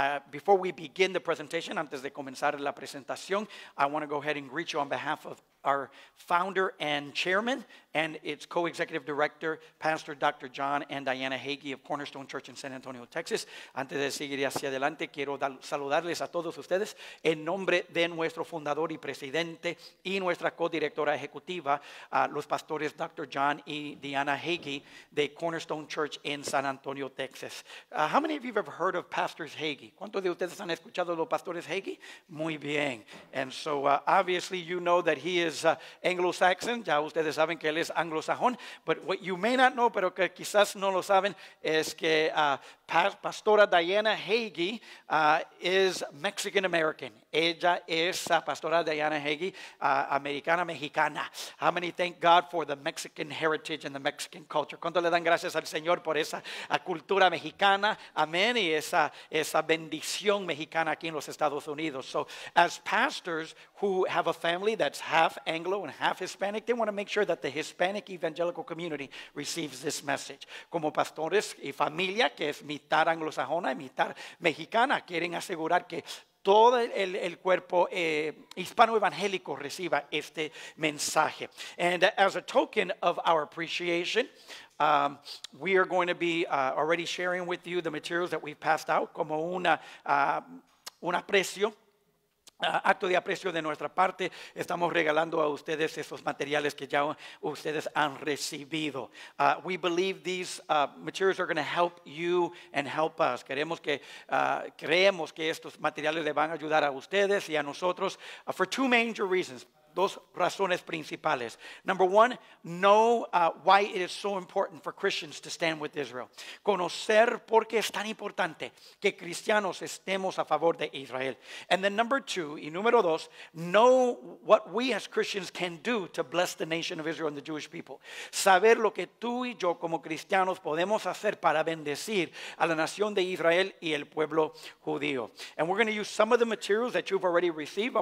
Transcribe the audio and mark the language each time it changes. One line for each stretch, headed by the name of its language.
English: Before we begin the presentation,
Spanish: antes de comenzar la presentación,
English: I want to go ahead and greet you on behalf of our founder and chairman and its co-executive director, Pastor Dr. John and Diana Hagee of Cornerstone Church in San Antonio, Texas.
Spanish: Antes de seguir hacia adelante, quiero saludarles a todos ustedes en nombre de nuestro fundador y presidente y nuestra co-directora ejecutiva, los pastores Dr. John y Diana Hagee de Cornerstone Church in San Antonio, Texas.
English: How many of you have heard of Pastors Hagee?
Spanish: ¿Cuántos de ustedes han escuchado los pastores Hagee? Muy bien.
English: And so obviously you know that he is Anglo-Saxon.
Spanish: Ya ustedes saben que él es anglosajón.
English: But what you may not know,
Spanish: pero que quizás no lo saben, es que Pastora Diana Hagee
English: is Mexican-American.
Spanish: Ella es Pastora Diana Hagee, americana mexicana.
English: How many thank God for the Mexican heritage and the Mexican culture?
Spanish: ¿Cuánto le dan gracias al Señor por esa cultura mexicana? Amén. Y esa bendición mexicana aquí en los Estados Unidos.
English: So as pastors who have a family that's half Anglo and half Hispanic, they want to make sure that the Hispanic evangelical community receives this message.
Spanish: Como pastores y familia que es mitad anglosajona y mitad mexicana, quieren asegurar que todo el cuerpo hispano evangélico reciba este mensaje.
English: And as a token of our appreciation, we are going to be already sharing with you the materials that we've passed out
Spanish: como un aprecio. Acto de aprecio de nuestra parte, estamos regalando a ustedes esos materiales que ya ustedes han recibido.
English: We believe these materials are going to help you and help us.
Spanish: Creemos que estos materiales le van a ayudar a ustedes y a nosotros
English: for 2 major reasons.
Spanish: dos razones principales.
English: Number one, know why it is so important for Christians to stand with Israel.
Spanish: Conocer por qué es tan importante que cristianos estemos a favor de Israel.
English: And then number two,
Spanish: y número dos,
English: know what we as Christians can do to bless the nation of Israel and the Jewish people.
Spanish: Saber lo que tú y yo como cristianos podemos hacer para bendecir a la nación de Israel y el pueblo judío.
English: And we're going to use some of the materials that you've already received.